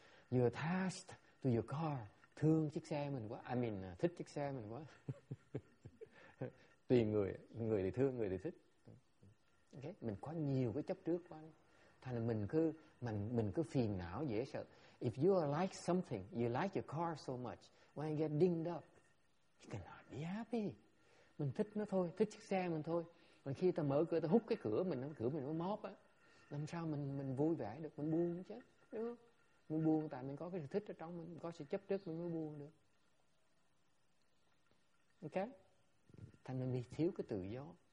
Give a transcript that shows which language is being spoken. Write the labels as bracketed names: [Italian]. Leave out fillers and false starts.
[English] You're attached to your car, [Vietnamese] thương chiếc xe mình quá. [English] I mean, [Vietnamese] thích chiếc xe mình quá. Tùy người, người thì thương, người thì thích. [English] Okay. [Vietnamese] Mình có nhiều cái chấp trước quá đấy. Thành là mình cứ phiền não dễ sợ. [English] If you are like something, you like your car so much, when you get dinged up, you cannot be happy. [Vietnamese] Mình thích nó thôi, thích chiếc xe mình thôi. Mà khi ta mở cửa, ta hút cái cửa mình, cửa mình nó móp á. Làm sao mình vui vẻ được, mình buồn chứ. Đúng không? Mình buồn tại mình có cái sự thích ở trong mình, có sự chấp trước mình mới buồn được. Ok? Thành mình bị thiếu cái tự do.